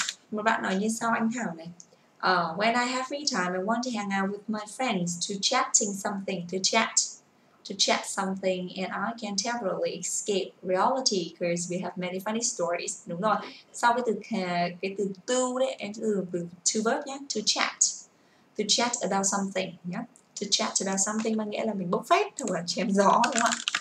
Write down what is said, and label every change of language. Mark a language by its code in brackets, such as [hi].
[vi] Một bạn nói như sau anh Thảo này. [en] When I have free time, I want to hang out with my friends to chatting something, to chat something, and I can temporarily escape reality because we have many funny stories. [vi] Đúng rồi. Sau cái từ to đấy, em sẽ dùng từ to verb nhé. [en] To chat about something [vi] nhé. To chat about something mang nghĩa là mình bốc phét hoặc là chém gió đúng không ạ?